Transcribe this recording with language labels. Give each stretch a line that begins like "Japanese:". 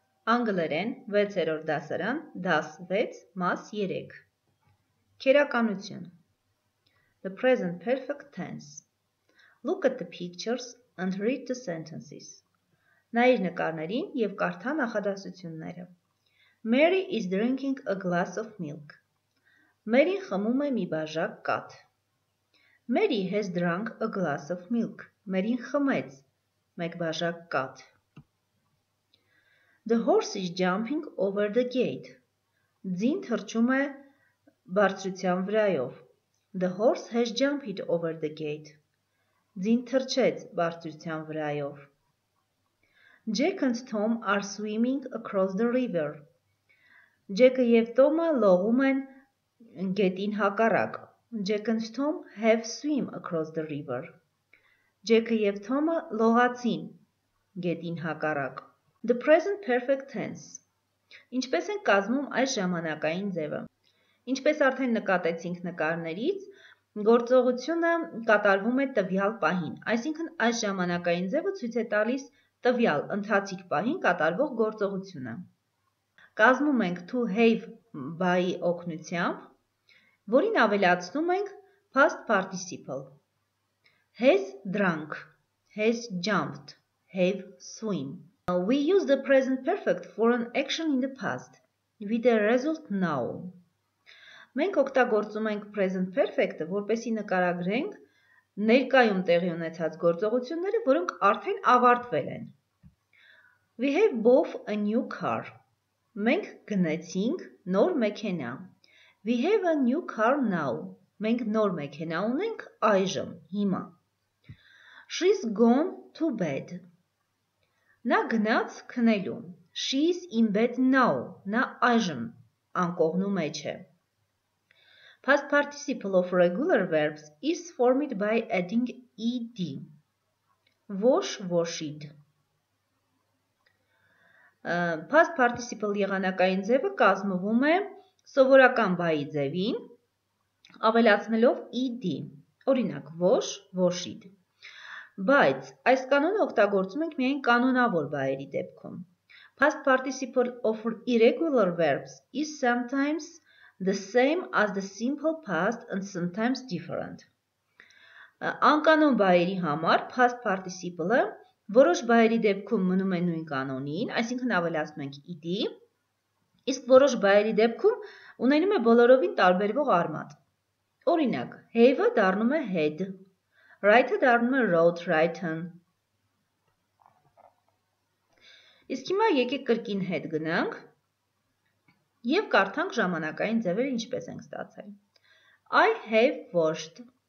Armenian: Անգլերեն 6-րդ դասարան, դաս 6, մաս 3. Քերականություն.
English: The present perfect tense. Look at the pictures and read the sentences.
Armenian: Նայիր նկարներին եւ կարդա նախադասությունները.
English: Mary is drinking a glass of milk.
Armenian: Մերին խմում է մի բաժակ կաթ.
English: Mary has drunk a glass of milk.
Armenian: Մերին խմեց մեկ բաժակ կաթ.
English: The horse is jumping over the gate.
Armenian: Ձին թռչում է բարձրության վրայով.
English: The horse has jumped over the gate.
Armenian: Ձին թռչեց բարձրության վրայով.
English: Jack and Tom are swimming across the river.
Armenian: Ջեքը եւ Թոմը լողում են գետին հակառակ.
English: Jack and Tom have swim across the river.
Armenian: Ջեքը եւ Թոմը լողացին գետին հակառակ.
English: The present perfect tense.
Armenian: Ինչպես են կազմում այս ժամանակային ձևը։ Ինչպես արդեն նկատեցինք նկարներից, գործողությունը կատարվում է տվյալ պահին, այսինքն այս ժամանակային ձևը ցույց է տալիս տվյալ ընթացիկ պահին կատարվող գործողությունը։ Կազմում ենք
English: to have
Armenian: by-ի օգնությամբ, որին ավելացնում ենք past participle.
English: Has drunk, has jumped, have swim. We use the present perfect for an action in the past with a result now.
Armenian: Մենք օգտագործում ենք present perfect-ը, որպեսզի նկարագրենք ներկայում տեղի ունեցած գործողությունները, որոնք արդեն ավարտվել են.
English: We have bought a new car.
Armenian: Մենք գնացինք նոր մեքենա.
English: We have a new car now.
Armenian: Մենք նոր մեքենա ունենք այժմ, հիմա.
English: She's gone to bed.
Armenian: Նա գնաց քնելու։
English: She's in bed now.
Armenian: Նա այժմ անկողնու մեջ է։
English: Past participle of regular verbs is formed by adding ed. Wash, washed.
Armenian: Past participle եղանակային ձևը կազմվում է սովորական բայի ձևին ավելացնելով ed. Օրինակ,
English: wash, washed.
Armenian: Բայց այս կանոնը օգտագործում ենք միայն կանոնավոր բայերի դեպքում.
English: Past participle of irregular verbs is sometimes the same as the simple past and sometimes different.
Armenian: Անկանոն բայերի համար past participle-ը որոշ բայերի դեպքում մնում է նույն կանոնին, այսինքն ավելացնում ենք ed, իսկ որոշ բայերի դեպքում ունենում է բոլորովին տարբերվող արմատ։ Օրինակ, have-ը դառնում է had, write-ը դառնում է
English: wrote, written։
Armenian: Իսկ հիմա եկեք կրկին had գնանք և կարդանք ժամանակային ձևերը ինչպես ենք ստացել։
English: I have washed.